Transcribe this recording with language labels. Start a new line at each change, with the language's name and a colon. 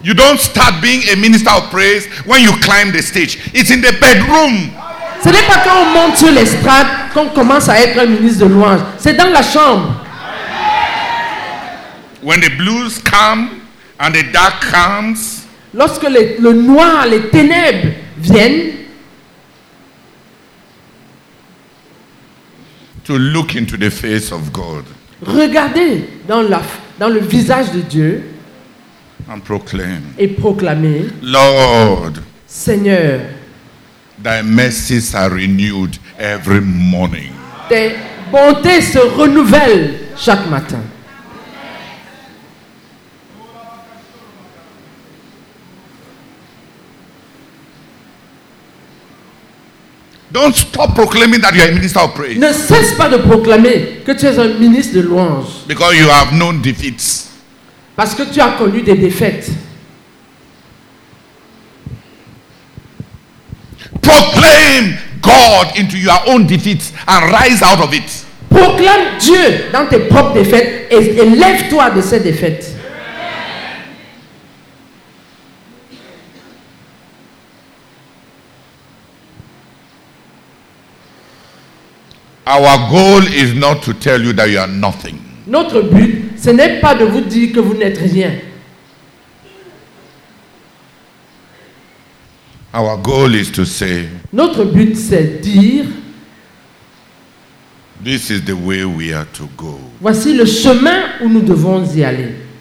English: You don't start being a minister of praise when you climb the stage. It's in the bedroom.
French: Ce n'est pas quand on monte sur l'estrade qu'on commence à être un ministre de louange. C'est dans la chambre.
English: When the blues come and the dark comes,
French: lorsque le noir, les ténèbres viennent,
English: to look into the face of God.
French: Regardez dans le visage de Dieu.
English: And proclaim.
French: Et proclamer.
English: Lord.
French: Seigneur.
English: Thy mercies are renewed every morning.
French: Tes bontés se renouvellent chaque matin.
English: Don't stop proclaiming that you are a minister of praise.
French: Ne cesse pas de proclamer que tu es un ministre de louange.
English: Because you have known defeats.
French: Parce que tu as connu des défaites.
English: Proclaim God into your own defeats and rise out of it.
French: Proclame Dieu dans tes propres défaites et élève-toi de ces défaites.
English: Our goal is not to tell you that you are nothing.
French: Notre but, ce n'est pas de vous dire que vous n'êtes rien.
English: Our goal is to say.
French: Notre but, c'est dire.
English: This is the way we are to go.
French: Voici le chemin où nous devons y aller.